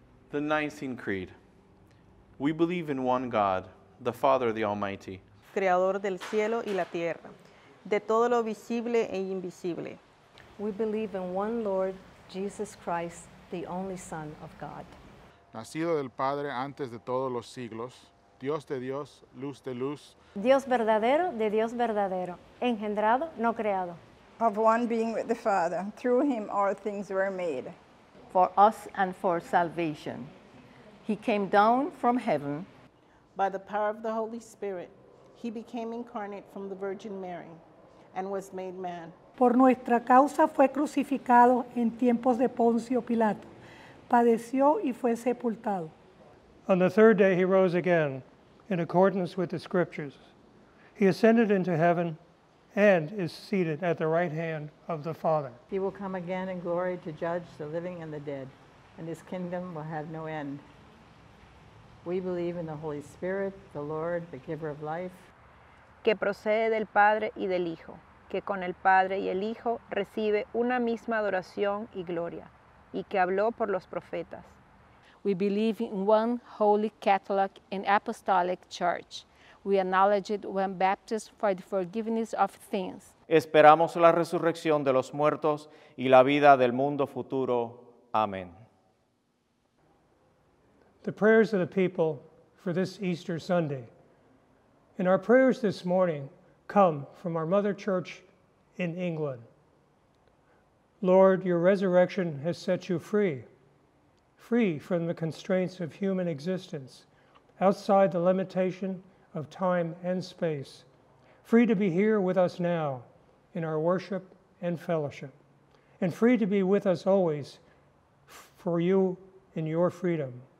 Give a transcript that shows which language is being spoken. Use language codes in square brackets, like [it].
[en] The Nicene Creed. We believe in one God, the Father, the Almighty. [es] Creador del cielo y la tierra, de todo lo visible e invisible. [en] We believe in one Lord, Jesus Christ, the only Son of God. [es] Nacido del Padre antes de todos los siglos, Dios de Dios, luz de luz. Dios verdadero de Dios verdadero, engendrado, no creado. [en] Of one being with the Father, through him all things were made. For us and for salvation. He came down from heaven. By the power of the Holy Spirit, he became incarnate from the Virgin Mary and was made man. [es] Por nuestra causa fue crucificado en tiempos de Poncio Pilato. Padeció y fue sepultado. [en] On the third day he rose again in accordance with the scriptures. He ascended into heaven and is seated at the right hand of the Father. He will come again in glory to judge the living and the dead, and his kingdom will have no end. We believe in the Holy Spirit, the Lord, the giver of life. [es] Que procede del Padre y del Hijo, que con el Padre y el Hijo recibe una misma adoración y gloria, y que habló por los profetas. [en] We believe in one holy Catholic and apostolic church. We acknowledge it when baptized for the forgiveness of sins. [es] Esperamos la resurrección de los muertos y la vida del mundo futuro. Amen. [en] The prayers of the people for this Easter Sunday. And our prayers this morning come from our Mother Church in England. Lord, your resurrection has set you free, free from the constraints of human existence, outside the limitation of time and space, free to be here with us now in our worship and fellowship, and free to be with us always for you in your freedom.